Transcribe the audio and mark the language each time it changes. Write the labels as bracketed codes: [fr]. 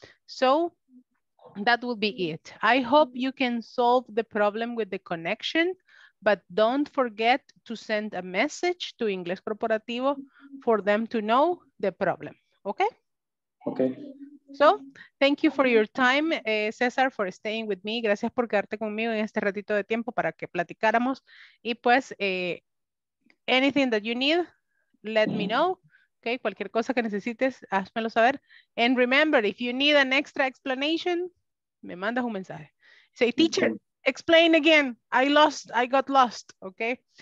[en] So that will be it. I hope you can solve the problem with the connection, but don't forget to send a message to Inglés Corporativo for them to know the problem, okay? Okay. So thank you for your time, Cesar, for staying with me. [es] Gracias por quedarte conmigo en este ratito de tiempo para que platicáramos. Y pues, [en] anything that you need, let me know. [es] Okay, cualquier cosa que necesites, házmelo saber. [en] And remember, if you need an extra explanation, [es] me mandas un mensaje. [en] Say, teacher, explain again. I got lost. Okay.